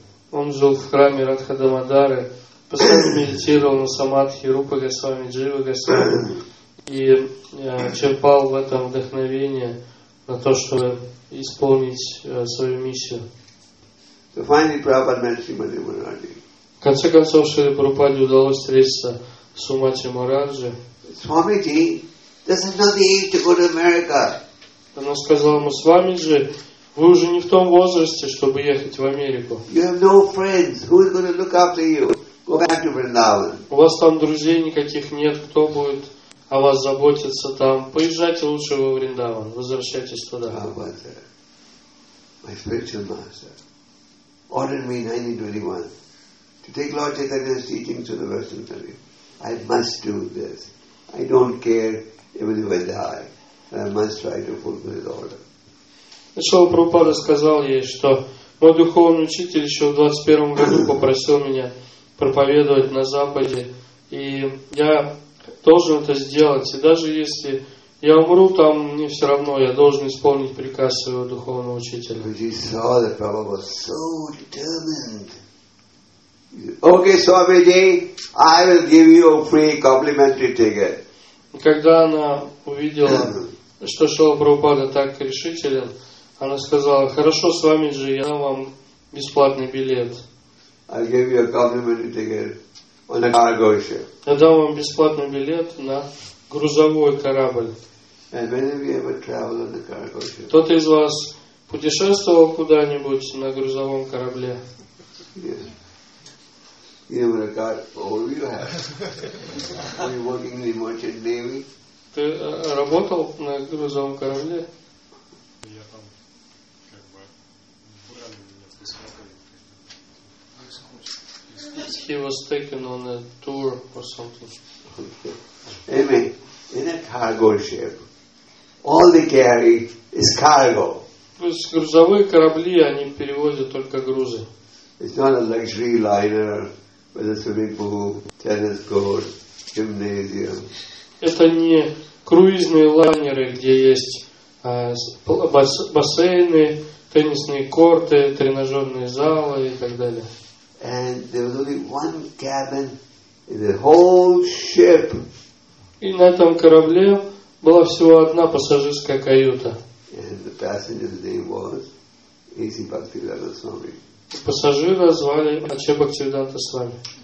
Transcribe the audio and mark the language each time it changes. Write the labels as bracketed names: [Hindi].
[Russian] Он жил в храме Радха-дамодары, постоянно медитировал на самадхи Рупа Госвами, Джива Госвами и черпал в этом вдохновение на то, чтобы исполнить свою миссию. [English] So finally, Prabhupada met Shrimati Maharaji. [Russian] В конце концов, Шриле Прабхупаде удалось встретиться с Сумати Мурарджи. [English] Swamiji, this is not the age to go to America. [Russian] Она сказала ему: Свамиджи, вы уже не в том возрасте, чтобы ехать в Америку. [English] You have no friends. Who is going to look after you? Go back to Vrindavan. [Russian] У вас там друзей никаких нет. Кто будет о вас заботиться там? Поезжайте лучше во Вриндаван. Возвращайтесь туда. [English] My spiritual master ordered me in 1921 to take Lord Chaitanya's teachings to the Western country. I must do this. I don't care even if I die. I must try to fulfill his order. [Russian] Шрила Прабхупада сказал ей, что мой духовный учитель еще в 21 году попросил меня проповедовать на Западе. И я должен это сделать. И даже если я умру там, мне все равно, я должен исполнить приказ своего духовного учителя. [English] But he saw that Prabhupada was so determined. Okay, Swamiji, I will give you a free complimentary ticket. [Russian] Когда она увидела, что Шрила Прабхупада так решителен, она сказала: «Хорошо, с вами же, я дам вам бесплатный билет». [English] I'll give you a complimentary ticket on a cargo ship. [Russian] Я дам вам бесплатный билет на грузовой корабль. [English] And many of you ever travel on a cargo ship? [Russian] Кто-то из вас путешествовал куда-нибудь на грузовом корабле? [English] Yes. You know what role you have? Are you working in the merchant navy? [Russian] Ты работал на грузовом корабле? [English] He was taken on a tour or something. Okay. Anyway, in a cargo ship, all they carry is cargo. [Russian] Грузовые корабли, они перевозят только грузы. [English] It's not a luxury liner with a swimming pool, tennis court, gymnasium. [Russian] Это не круизные лайнеры, где есть бассейны, теннисные корты, тренажерные залы и так далее. [English] And there was only one cabin in the whole ship. [Russian] И на этом корабле была всего одна пассажирская каюта. [English] And the passenger's name was A.C. Bhaktivedanta Swami. [Russian] Пассажира звали Ача Бхактивиданта Свами.